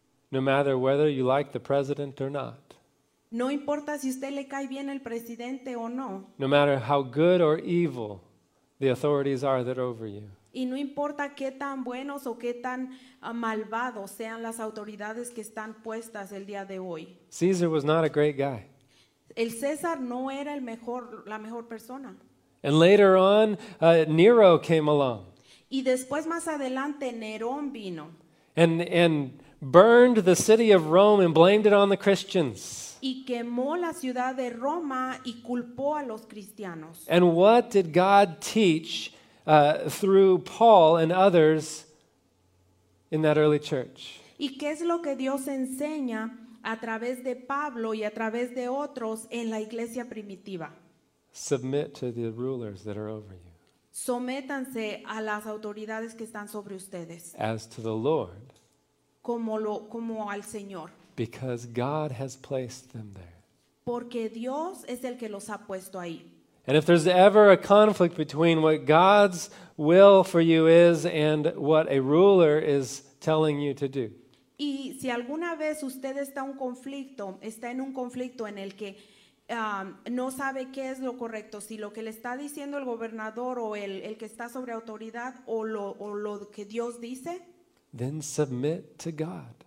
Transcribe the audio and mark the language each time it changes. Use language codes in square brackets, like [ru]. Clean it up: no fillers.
[en] No matter whether you like the president or not. [es] No importa si usted le cae bien el presidente o no. [en] No matter how good or evil the authorities are that are over you. [es] Y no importa qué tan buenos o qué tan malvados sean las autoridades que están puestas el día de hoy. [en] Caesar was not a great guy. [es] El César no era el mejor, la mejor persona. [en] And later on, Nero came along. [es] Y después, más adelante, Nerón vino. [en] And burned the city of Rome and blamed it on the Christians. [es] Y quemó la ciudad de Roma y culpó a los cristianos. [en] And what did God teach through Paul and others in that early church? [es] ¿Y qué es lo que Dios enseña a través de Pablo y a través de otros en la iglesia primitiva? [en] Submit to the rulers that are over you. [es] Sométanse a las autoridades que están sobre ustedes. [en] As to the Lord. [es] Como al Señor. [en] Because God has placed them there. [es] Porque Dios es el que los ha puesto ahí. [en] And if there's ever a conflict between what God's will for you is and what a ruler is telling you to do. [es] Y si alguna vez usted está en un conflicto en el que no sabe qué es lo correcto, si lo que le está diciendo el gobernador o el que está sobre autoridad o lo que Dios dice, [en] then submit to God.